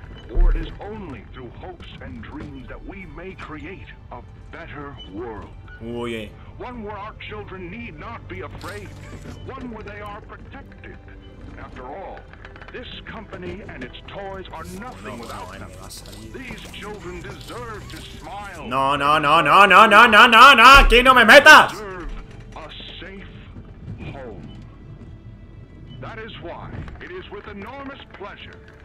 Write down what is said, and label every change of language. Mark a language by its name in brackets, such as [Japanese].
[English] Or it is only through hopes and dreams that we may create a better world. Uy. One where our children need not be afraid. One where they are protected. After all, this company and its toys are nothing without them. These children deserve to smile. [Spanish] No, no, no, no, no, no, no, no, no, aquí no me metas. [English] Deserve a safe home. That is why it is with enormous pleasure.